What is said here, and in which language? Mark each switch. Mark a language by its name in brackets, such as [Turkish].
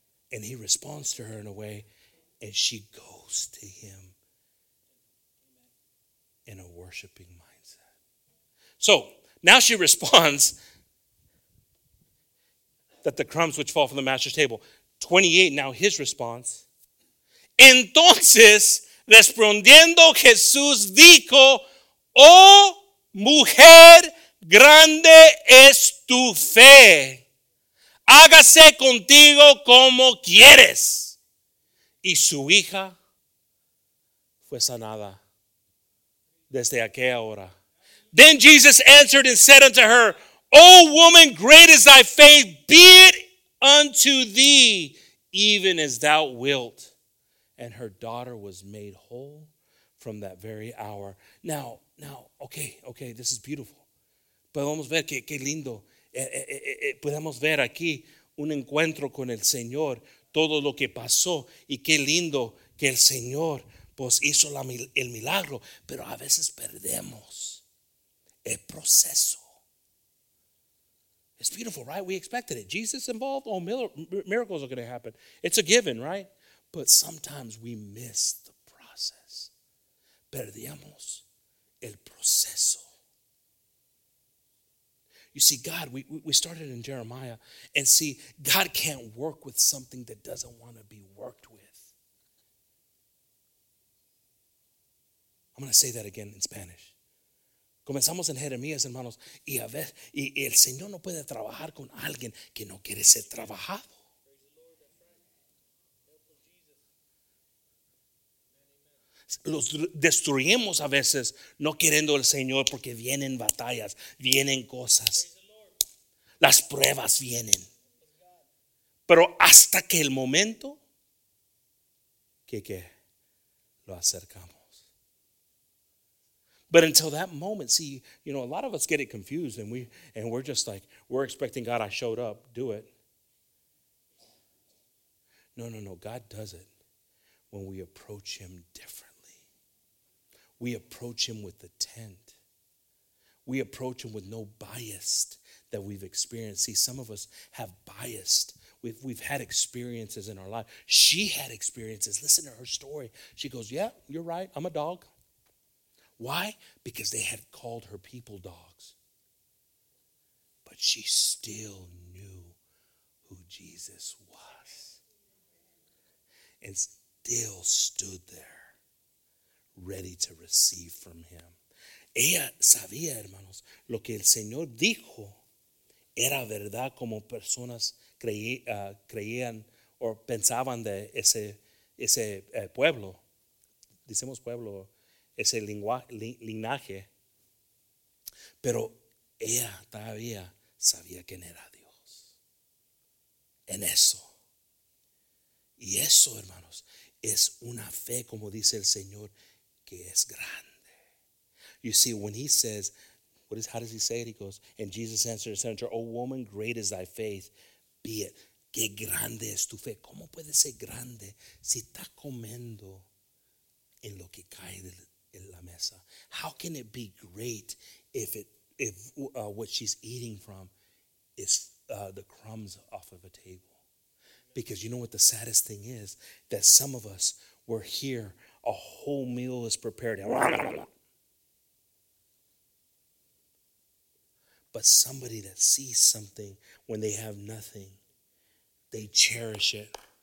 [English] And he responds to her in a way, and she goes to him in a worshiping mindset. So, now she responds that the crumbs which fall from the master's table. 28, now his response. [Spanish] Entonces, respondiendo Jesús dijo, oh, mujer, grande es tu fe. Hágase contigo como quieres. Y su hija fue sanada desde aquella hora. [English] Then Jesus answered and said unto her, O woman, great is thy faith, be it unto thee, even as thou wilt. And her daughter was made whole from that very hour. Now, okay, this is beautiful. [Spanish] Podemos ver que lindo. Podemos ver aquí un encuentro con el Señor, todo lo que pasó, y qué lindo que el Señor pues hizo el milagro. Pero a veces perdemos el proceso. [English] It's beautiful, right? We expected it. Jesus involved, miracles are going to happen. It's a given, right? But sometimes we miss the process. [Spanish] Perdemos el proceso. [English] You see, God, we started in Jeremiah, and see, God can't work with something that doesn't want to be worked with. I'm going to say that again in Spanish. [Spanish] Comenzamos en Jeremías, hermanos, y a ver, y el Señor no puede trabajar con alguien que no quiere ser trabajado. Los destruimos a veces no queriendo el Señor, porque vienen batallas, vienen cosas. Las pruebas vienen. Pero hasta que el momento que lo acercamos. [English] But until that moment, see, you know, a lot of us get it confused, and we're just like, we're expecting God, I showed up, do it. No. God does it when we approach him differently. We approach him with the tent. We approach him with no bias that we've experienced. See, some of us have bias. We've had experiences in our life. She had experiences. Listen to her story. She goes, yeah, you're right. I'm a dog. Why? Because they had called her people dogs. But she still knew who Jesus was. And still stood there, ready to receive from him. [Spanish] Ella sabía, hermanos, lo que el Señor dijo era verdad como personas creían o pensaban de ese pueblo. Decimos pueblo. Ese linaje, pero ella todavía sabía quién era Dios en eso. Y eso, hermanos, es una fe, como dice el Señor, que es grande. [English] You see, when he says, how does he say it? He goes, and Jesus answered and said to her, oh woman, great is thy faith, be it. [Spanish] Qué grande es tu fe. ¿Cómo puede ser grande si está comiendo en lo que cae del la mesa? [English] How can it be great if what she's eating from is the crumbs off of a table? Because you know what the saddest thing is? That some of us were here, a whole meal is prepared, but somebody that sees something when they have nothing, they cherish it.